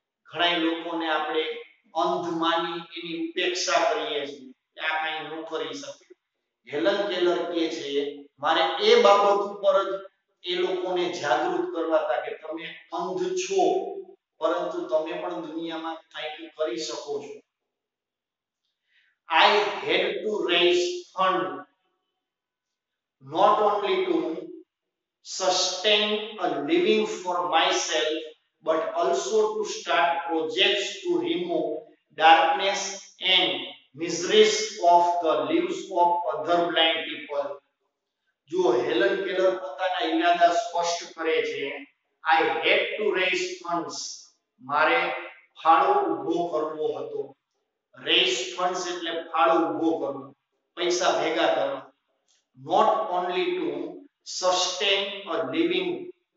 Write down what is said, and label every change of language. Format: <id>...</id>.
<gu>ઘણા લોકોને આપણે અંધ માની એની ઉપેક્ષા કરીએ છીએ, આ કઈ ન કરી શકે. હેલન કેલર કહે છે, મારે એ બાબત ઉપર જ એ લોકોને જાગૃત કરવા હતા કે તમે અંધ છો પરંતુ તમે પણ દુનિયામાં કંઈક કરી શકો છો.</gu> <en>I had to raise fund not only to sustain a living for myself but also to start projects to remove darkness and miseries of the lives of other blind people.</en> <gu>જો હેલન કેલર પોતાના ઈરાદા સ્પષ્ટ કરે છે,</gu> <en>I had to raise funds.</en> <gu>મારે ફાળો ઉભો કરવો હતો.</gu> <en>Raise funds</en> <gu>એટલે ફાળો ઉભો કરવો, પૈસા ભેગા કરવા.</gu> <en>Not only to sustain a living.</en>